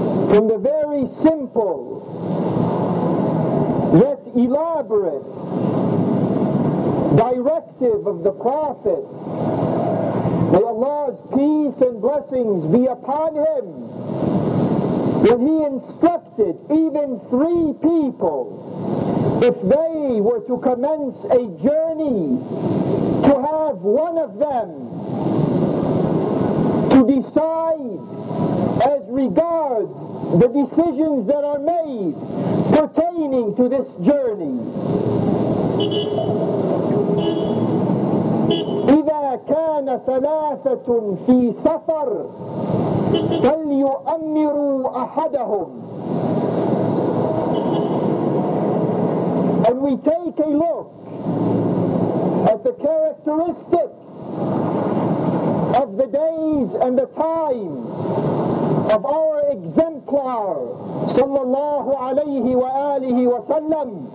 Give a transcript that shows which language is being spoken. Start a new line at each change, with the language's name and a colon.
English: From the very simple yet elaborate directive of the Prophet, may Allah's peace and blessings be upon him, when he instructed even three people, if they were to commence a journey, to have one of them to decide as regards the decisions that are made pertaining to this journey.
Arabic: إذا كان ثلاثة في سفر فليؤمروا أحدهم.
English: And we take a look at the characteristics of the days and the times of our exemplar
Arabic: صلى الله عليه وآله وسلم.